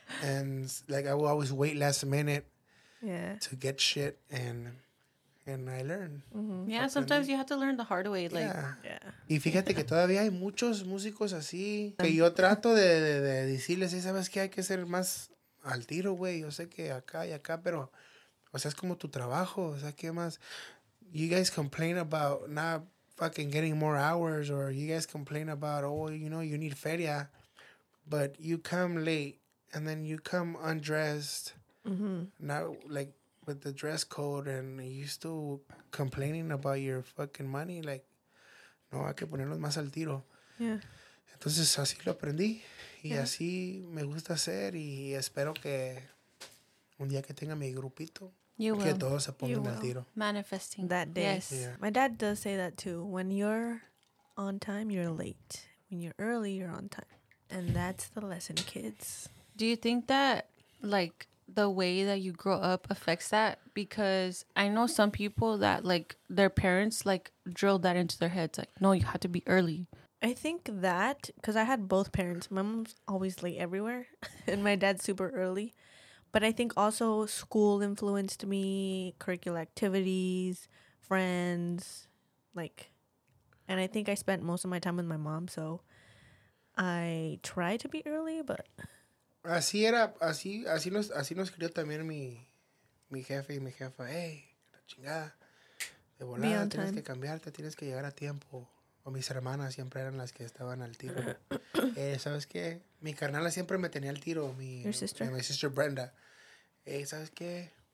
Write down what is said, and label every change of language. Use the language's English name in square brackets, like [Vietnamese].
[English] And like I would always wait last minute to get shit. And I learned. Mm-hmm. Yeah, sometimes you have to learn the hard way. Like, [Spanish] Y fíjate que todavía hay muchos músicos así. Que yo trato de decirles, ¿sabes qué? Hay que ser más... Al tiro, güey. Yo sé que acá y acá, pero, o sea, es como tu trabajo. O sea, ¿qué más? [English] You guys complain about not fucking getting more hours, or you guys complain about, oh, you know, you need feria, but you come late and then you come undressed, not like with the dress code, and you still complaining about your fucking money. [Spanish] Like, no, hay que ponernos más al tiro. [English] Yeah. [Spanish] Entonces, así lo aprendí. Y así me gusta hacer y espero que un día que tenga mi grupito, que todos se pongan al tiro. [English] Manifesting. That day. Yes. Yeah. My dad does say that too. When you're on time, you're late. When you're early, you're on time. And that's the lesson, kids. Do you think that, like, the way that you grow up affects that? Because I know some people that, like, their parents, like, drilled that into their heads. Like, no, you have to be early. I think that, because I had both parents. My mom's always late everywhere, and my dad's super early. But I think also school influenced me, curricular activities, friends, like, and I think I spent most of my time with my mom, so I try to be early, but... [Spanish] Así era, así nos crió también mi jefe y mi jefa. Hey, la chingada, de volada, tienes time. Que cambiarte, tienes que llegar a tiempo. O mis hermanas siempre eran las que estaban al tiro. ¿Sabes qué? Mi carnala siempre me tenía al tiro. Mi sister Brenda. ¿Sabes qué?